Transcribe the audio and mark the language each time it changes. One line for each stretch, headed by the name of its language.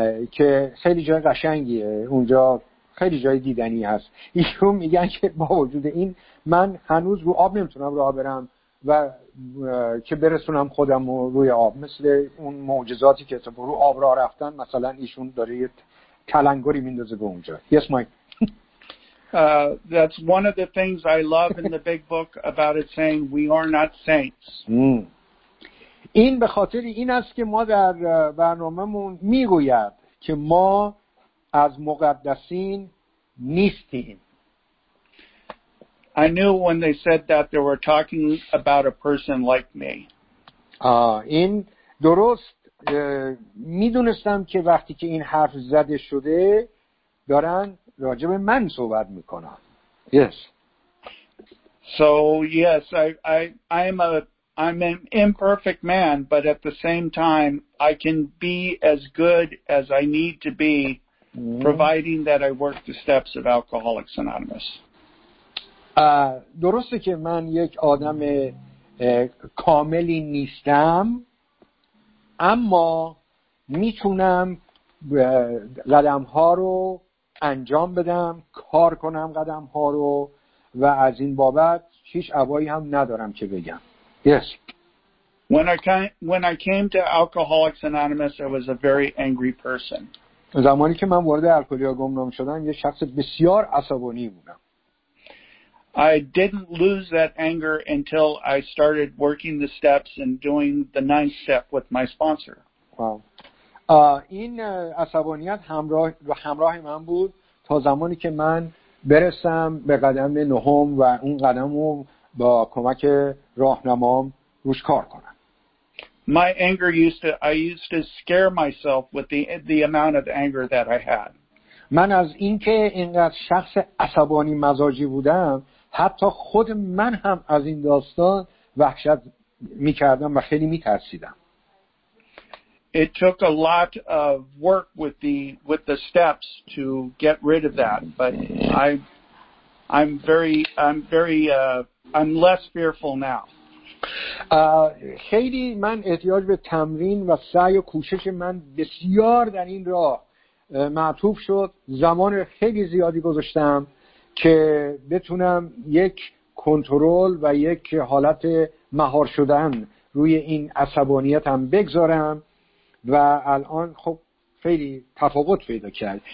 Persian: که خیلی جای قشنگیه اونجا خیلی جای دیدنی هست ایشون میگن که با وجود این من هنوز رو آب نمیتونم راه برم و که برسونم خودم روی آب مثل اون معجزاتی که تو روی آب را رفتن مثلا ایشون داره یه تلنگری میندازه به اونجا.
English: Yes, Mike. That's one of the things I love in the big book about it saying we are not saints.
Persian: این به خاطر این است که ما در برنامه‌مون میگوید که ما از مقدسین نیستیم.
English: I knew when they said that they were talking about a person like me.
Persian: این درست میدونستم که وقتی که این حرف زده شده دارن راجع به من صحبت میکنن.
English: Yes. So yes, I'm an imperfect man, but at the same time, I can be as good as I need to be, mm-hmm. providing that I work the steps of Alcoholics Anonymous.
Persian: درسته که من یک آدم کاملی نیستم، اما میتونم قدم ها رو انجام بدم، کار کنم قدم ها رو، و از این بابت هیچ ابایی هم ندارم که بگم.
English: Yes. When I came to Alcoholics Anonymous, I was a very angry person.
Persian: زمانی که من وارد الکلی‌آگونام شدم، یه شخص بسیار عصبانی بودم.
English: I didn't lose that anger until I started working the steps and doing the ninth step with my sponsor. Wow.
Persian: این عصبانیت همراه من بود تا زمانی که من برسم به قدم نهم و اون قدمو با کمک راهنمام روش کار کنم.
English: My anger I used to scare myself with the amount of anger that I had.
Persian: من از اینکه اینقدر شخص عصبانی مزاجی بودم، حتی خود من هم از این داستان وحشت می‌کردم و خیلی می‌ترسیدم.
English: It took a lot of work with the steps to get rid of that, but I'm less fearful now.
Persian: خیلی من احتیاج به تمرین و سعی و کوشش من بسیار در این راه معطوف شد. زمان خیلی زیادی گذاشتم که بتونم یک کنترل و یک حالت مهار شدن روی این عصبانیتم بگذارم و الان خب خیلی تفاوت پیدا کرد.